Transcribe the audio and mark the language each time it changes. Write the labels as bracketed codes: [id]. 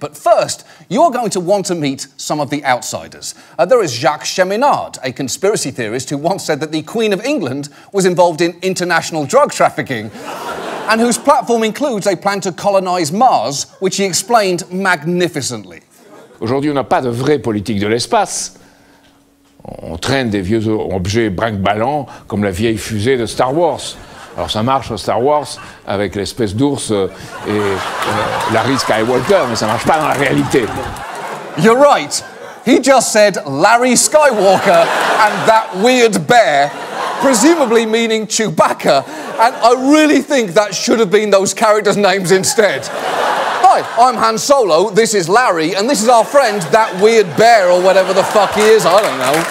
[en] But first, you're going to want to meet some of the outsiders. There is Jacques Cheminard, a conspiracy theorist who once said that the Queen of England was involved in international drug trafficking, and whose platform includes a plan to colonize Mars, which he explained magnificently. [fr] Aujourd'hui, on n'a pas de vraie politique de l'espace. On traîne des vieux objets brinque-ballants comme la vieille fusée de Star Wars. Alors ça marche en Star Wars avec l'espèce d'ours et Larry Skywalker, mais ça marche pas dans la réalité. [en] You're right. He just said Larry Skywalker and that weird bear, presumably meaning Chewbacca, and I really think that should have been those characters' names instead. Hi, I'm Han Solo, this is Larry, and this is our friend, that weird bear or whatever the fuck he is, I don't know.